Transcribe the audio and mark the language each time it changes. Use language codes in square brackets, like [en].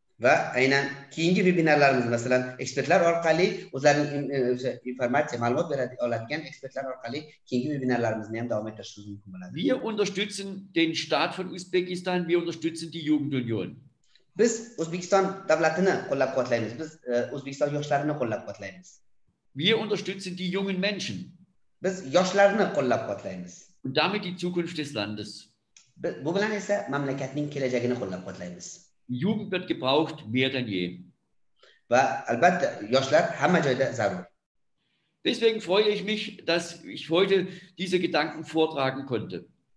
[uz] Va aynan keyingi webinarlarimiz masalan ekspertlar orqali o'zlarining o'sha informatsiya ma'lumot beradi oladigan ekspertlar orqali keyingi webinarlarimizni ham davom ettirishimiz mumkin bo'ladi. [de] Wir unterstützen den Staat von Usbekistan, wir unterstützen die Jugendunion. [uz] Biz O'zbekiston davlatini qo'llab-quvvatlaymiz. Biz O'zbekiston yoshlarini qo'llab-quvvatlaymiz. [de] Wir unterstützen die jungen Menschen. [uz] Biz yoshlarni qo'llab-quvvatlaymiz. [de] Und damit die Zukunft des Landes. [uz] Bu bilan esa mamlakatning kelajagini qo'llab-quvvatlaymiz. [de] Die Jugend wird gebraucht mehr denn je. [uz] Va albatta yoshlar hamma joyda zarur. [de] Deswegen freue ich mich, dass ich heute diese Gedanken vortragen konnte.